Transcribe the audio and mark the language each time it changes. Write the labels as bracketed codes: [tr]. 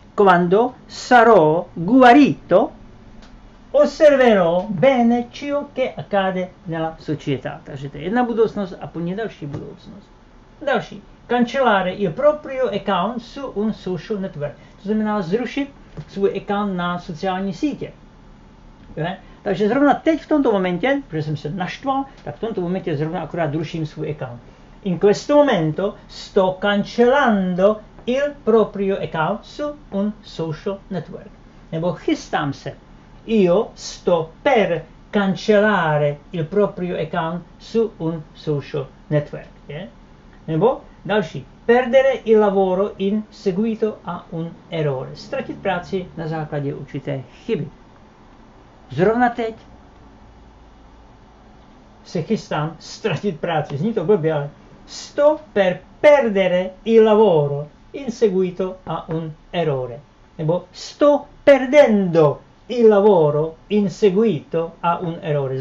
[it] Quando sarò guarito, osserverò bene ciò che accade nella società. [cs] Takže to je jedna budoucnost a po ní další budoucnost. Další. [it] Cancellare il proprio account su un social network. [cs] To znamená zrušit svůj account na sociální sítě. Je? Takže zrovna teď v tomto momentě, protože jsem se naštval, tak v tomto momentě zrovna akorát ruším svůj account. [it] In questo momento sto cancellando il proprio account su un social network. [cs] Nebo chystám se. [it] Io sto per cancellare il proprio account su un social network. [cs] Je? Nebo další. [it] Perdere il lavoro in seguito a un errore. [cs] Ztratit práci na základě určité chyby. Zrovna teď se chystám ztratit práci. Zní to blbě, ale [it] sto per perdere il lavoro in seguito a un errore. [cs] Nebo [it] sto perdendo il lavoro in seguito a un errore.